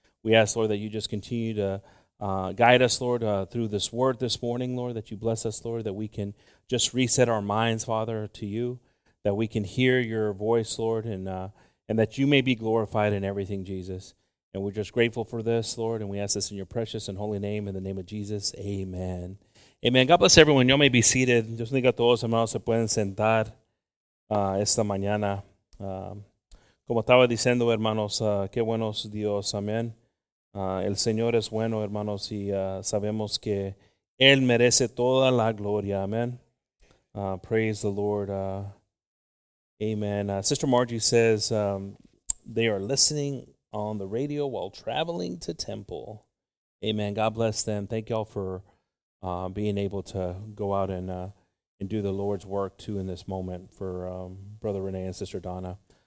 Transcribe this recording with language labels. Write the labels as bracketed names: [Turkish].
[English] We ask, Lord, that you just continue to guide us, Lord, through this word this morning, Lord, that you bless us, Lord, that we can just reset our minds, Father, to you, that we can hear your voice, Lord, and that you may be glorified in everything, Jesus. And we're just grateful for this, Lord, and we ask this in your precious and holy name, in the name of Jesus, amen. Amen. God bless everyone. Y'all may be seated. [Spanish] Dios bendiga a todos, hermanos, se pueden sentar esta mañana. Como estaba diciendo, hermanos, qué buenos Dios, amén. El Señor es bueno, hermanos, y sabemos que Él merece toda la gloria, amén. [English] Praise the Lord. Amen. Sister Margie says, they are listening on the radio while traveling to temple. Amen. God bless them. Thank y'all for being able to go out and do the Lord's work, too, in this moment for Brother Renee and Sister Donna.